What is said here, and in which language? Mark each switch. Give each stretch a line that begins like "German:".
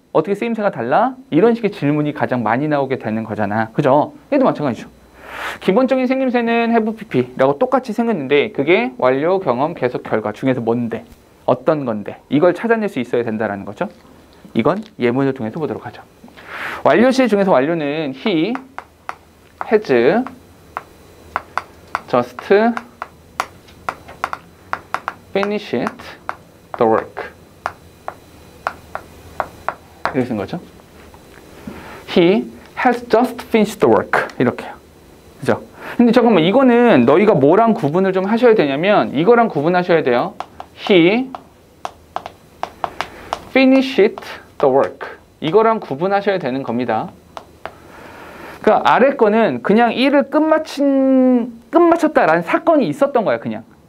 Korean: 어떻게 쓰임새가 달라? 이런 식의 질문이 가장 많이 나오게 되는 거잖아. 그죠? 얘도 마찬가지죠. 기본적인 생김새는 have pp라고 똑같이 생겼는데 그게 완료, 경험, 계속, 결과 중에서 뭔데? 어떤 건데? 이걸 찾아낼 수 있어야 된다라는 거죠. 이건 예문을 통해서 보도록 하죠. 완료 시 중에서 완료는
English: he has just finished the work.
Korean: 이렇게 쓴 거죠.
English: He has just finished the work.
Korean: 이렇게요. 그죠? 근데 잠깐만, 이거는 너희가 뭐랑 구분을 좀 하셔야 되냐면, 이거랑 구분하셔야 돼요.
English: He finished the work.
Korean: 이거랑 구분하셔야 되는 겁니다. 그러니까 아래 거는 그냥 일을 끝마쳤다라는 사건이 있었던 거야, 그냥.